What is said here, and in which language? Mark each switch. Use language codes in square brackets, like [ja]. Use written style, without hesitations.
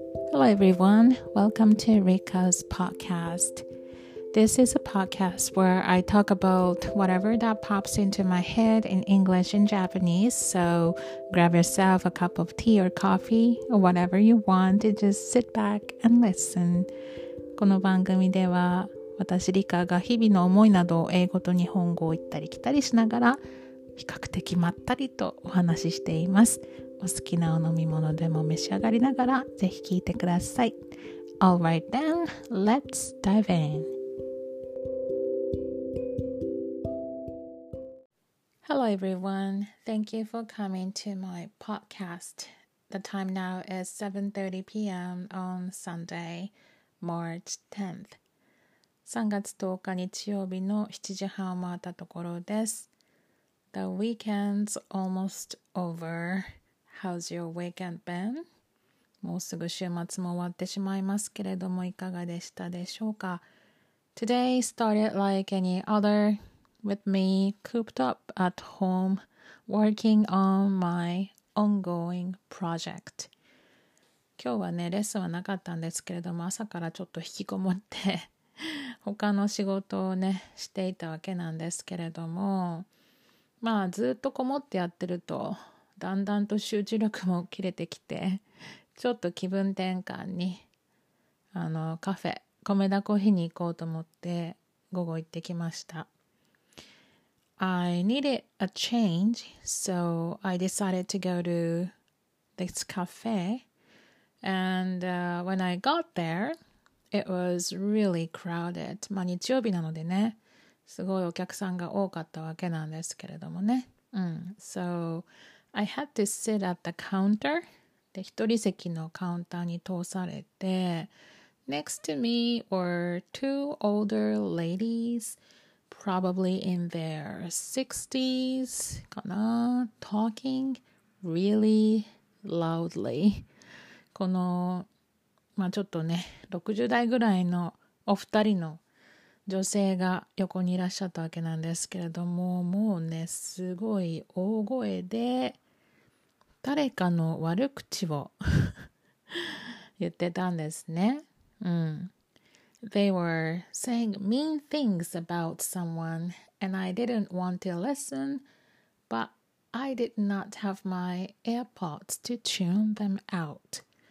[en] Hello everyone, welcome to Rika's podcast. This is a podcast where I talk about whatever that pops into my head in English and Japanese. So grab yourself a cup of tea or coffee or whatever you want and just sit back and listen. [ja] この番組では私リカが日々の思いなどを英語と日本語を行ったり来たりしながら比較的まったりとお話ししています。お好きなお飲み物でも召し上がりながらぜひ聞いてください。 [en] Alright then, let's dive in. Hello everyone, thank you for coming to my podcast. The time now is 7:30 PM on Sunday, March 10th. [ja] 3月10日日曜日の7時半を回ったところです。 [en] The weekend's almost over. How's your weekend been? [ja] もうすぐ週末も終わってしまいますけれども、いかがでしたでしょうか。 [en] Today started like any other with me cooped up at home working on my ongoing project. [ja] 今日はね、レッスンはなかったんですけれども、朝からちょっと引きこもって他の仕事をねしていたわけなんですけれども、まあずっとこもってやってるとだんだんと集中力も切れてきて、ちょっと気分転換にカフェコメダコーヒーに行こうと思って午後行ってきました。 [en] I needed a change, so I decided to go to this cafe. And when I got there, it was really crowded. [ja] まあ日曜日なのでね、すごいお客さんが多かったわけなんですけれどもね。うん。 [en] So, I had to sit at the counter. [ja] で、一人席のカウンターに通されて、 [en] Next to me were two older ladies, probably in their 60s [ja] かな、 [en] talking really loudly. [ja] この、まあちょっとね、60代ぐらいのお二人の女性が横にいらっしゃったわけなんですけれども、もうねすごい大声で誰かの悪口を言ってたんですね。うん。 [en] They were saying mean things about someone and I didn't want to listen, but I did not have my AirPods to tune them out.